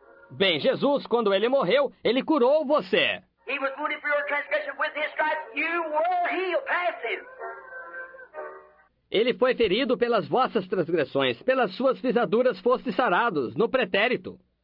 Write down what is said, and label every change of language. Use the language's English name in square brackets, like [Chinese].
[Portuguese] Bem, Jesus, quando ele morreu, ele curou você. [English] He was wounded for your transgression with his stripes. You were healed. Passive. [Portuguese] Ele foi ferido pelas vossas transgressões, pelas suas pisaduras foste sarados, no pretérito.